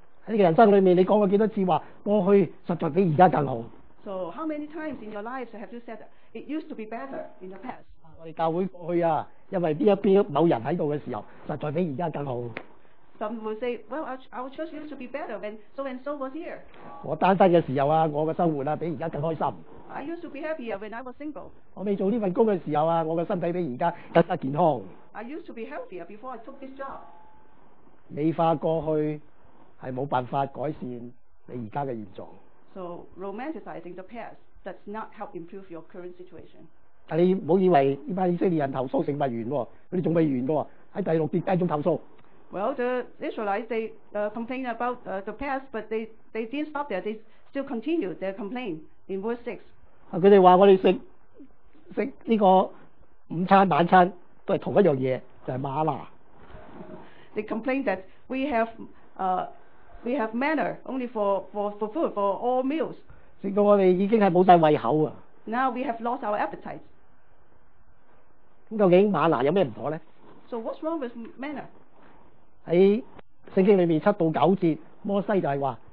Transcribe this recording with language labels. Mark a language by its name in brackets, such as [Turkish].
[Cantonese] 喺你嘅人生裏面，你講過幾多次話過去實在比而家更好 [English] ？So how many times in your lives have you said it used to be better in the past? [Cantonese] 我哋教會過去啊，因為邊某人喺度嘅時候，實在比而家更好。 [English] Some will say, "Well, our church used to be better when so and so was here." [Cantonese] 我單身嘅時候啊，我嘅生活啊，比而家更開心。 [English] I used to be happier when I was single. [Cantonese] 我未做呢份工嘅時候啊，我嘅身體比而家更加健康。 [English] I used to be healthier before I took this job. [Cantonese] 美化過去係冇辦法改善你而家嘅現狀。 [English] So romanticizing the past does not help improve your current situation. [Cantonese] 但你唔好以為呢班以色列人投訴成物完喎，佢哋仲未完嘅喎，喺第六節繼續投訴。 [English] Well, the Israelites they complained about the past, but they didn't stop there. They still continued their complaint in verse 6. [Cantonese] 啊，佢哋話我哋食呢個午餐晚餐都係同一樣嘢，就係瑪拿。 [English] They complained that we have manna only for food for all meals. [Cantonese] 食到我哋已經係冇曬胃口啊。 [English] Now we have lost our appetite. [Cantonese] 咁究竟瑪拿有咩唔妥咧 [English] ？So what's wrong with manna? [Cantonese] 在圣经里面七到九节，摩西就系话：